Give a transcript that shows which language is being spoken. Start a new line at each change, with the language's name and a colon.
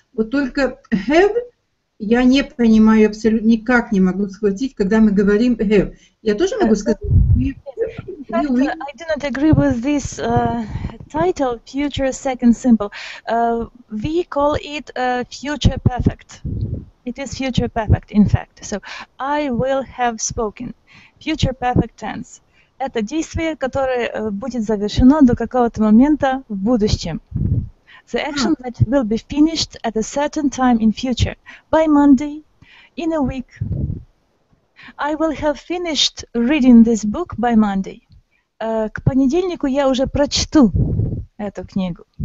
Russian: Вот только have я не понимаю абсолютно, никак не могу схватить, когда мы говорим have. Я тоже могу сказать.
English: I do not agree with this title future second simple. We call it future perfect. It is future perfect, in fact. So I will have spoken. Future perfect tense.
Russian: Это действие, которое будет завершено до какого-то момента в будущем.
English: The action that will be finished at a certain time in future. By Monday, in a week. I will have finished reading this book by Monday.
Russian: К понедельнику я уже прочту эту книгу.